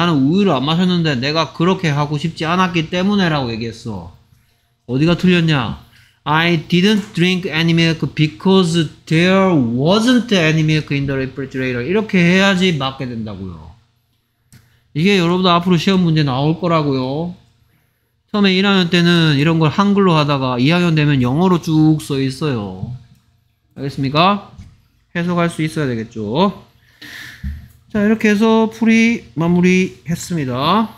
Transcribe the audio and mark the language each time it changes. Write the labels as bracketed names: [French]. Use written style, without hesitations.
[Korean] 나는 우유를 안 마셨는데 내가 그렇게 하고 싶지 않았기 때문에 라고 얘기했어. 어디가 틀렸냐? [English] I didn't drink any milk because there wasn't any milk in the refrigerator. [Korean] 이렇게 해야지 맞게 된다고요. 이게 여러분들 앞으로 시험 문제 나올 거라고요. 처음에 1학년 때는 이런 걸 한글로 하다가 2학년 되면 영어로 쭉 써 있어요. 알겠습니까? 해석할 수 있어야 되겠죠. 자, 이렇게 해서 풀이 마무리 했습니다.